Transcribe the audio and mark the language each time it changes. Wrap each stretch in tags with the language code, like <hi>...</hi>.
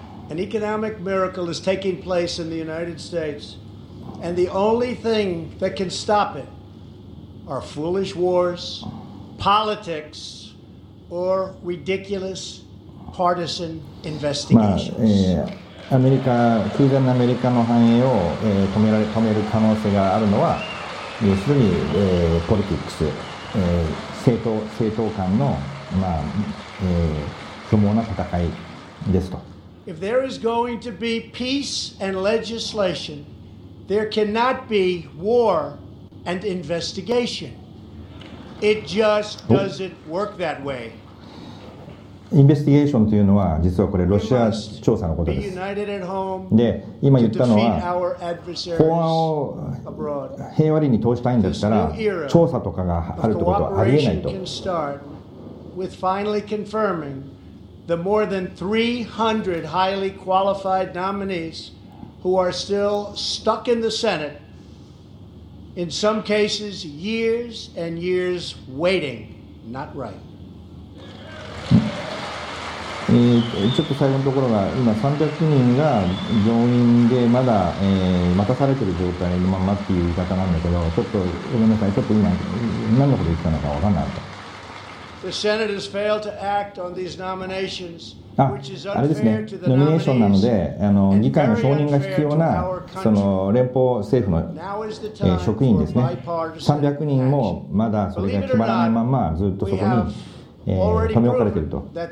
<en>An economic miracle is taking place in the United States. And the only thing that can stop it are foolish wars, politics, or ridiculous partisan investigations.</en> <ja>まあ、アメリカ、空前のアメリカの繁栄を、止める可能性があるのは、要するに、ポリティックス、政党間の、まあ、不毛な戦いですと。</ja> <en>If there is going to be peace and legislation,There cannot be war and investigation. It just doesn't work that way.</en> <ja>インベスティゲーションというのは実はこれロシア調査のことです。で、今言ったのは法案を平和に通したいんだったら調査とかがあるということはありえないと。</ja> <en>Cooperation can start with finally confirming the more than 300 highly qualified nominees. Who are still stuck in the Senate, in some cases years and years waiting, not right.</en> <ja>ちょっと最後のところが今300人が上院でまだ、待たされている状態のままっていう言い方なんだけど、ちょっとごめんなさい、ちょっと今何のこと言ったのか分かんなかった。</ja> <en>The Senate has failed to act on these nominations.</en> <ja>あれですね、ノミネーションなので、議会の承認が必要なその連邦政府の、職員ですね、300人もまだそれが決まらないまま、ずっとそこに、留め置かれていると。</ja>